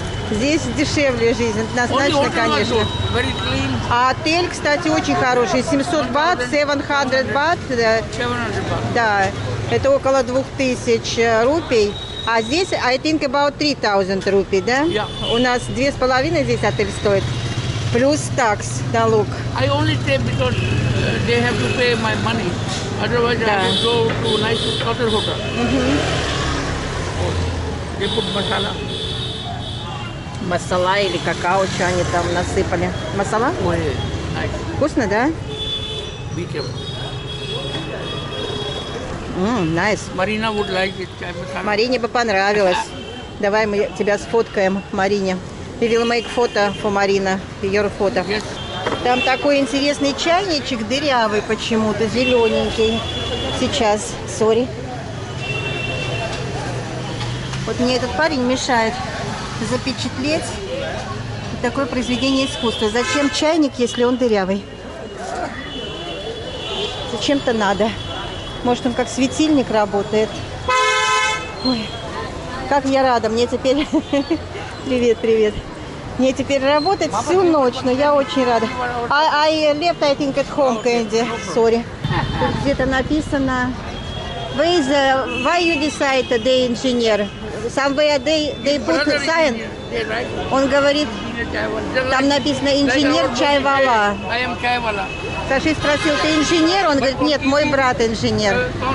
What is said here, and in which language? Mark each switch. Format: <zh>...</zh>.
<ru>Здесь дешевле жизнь, однозначно, конечно. А отель, кстати, очень хороший, 700 бат, 700 бат, да, это около 2000 рупий. А здесь,</ru> <en>I think about</en> <ru>3000 рупий, да? У нас 2,5 здесь отель стоит. Плюс такс, налог.</ru> <en>I only stay because they have to pay my money. Otherwise,</en> <ru>да.</ru> <en>I can go to a nice hotel. Uh-huh. They put masala.</en> <ru>Масала или какао, что они там насыпали. Масала?</ru> <en>Ой, nice.</en> <ru>Вкусно, да?</ru> <en>Be careful. Nice. Marina would like it.</en> <ru>Марине бы понравилось. Давай мы тебя сфоткаем, Марине.</ru> <en>We will make photo for Marina, your photo. Yes.</en> <ru>Там такой интересный чайничек, дырявый почему-то, зелененький. Сейчас, sorry. Вот мне этот парень мешает запечатлеть такое произведение искусства. Зачем чайник, если он дырявый? Зачем-то надо. Может, он как светильник работает. Ой, как я рада, мне теперь... Привет, привет. Мне теперь работать всю ночь, но я очень рада.</ru> <en>I left, I think, at home, Candy. Sorry.</en> <ru>Тут где-то написано...</ru> <en>Why you decide the engineer? Somewhere they put a sign.</en> <ru>Он говорит, там написано инженер Чайвала. Саши спросил, ты инженер? Он говорит, нет, мой брат инженер.</ru>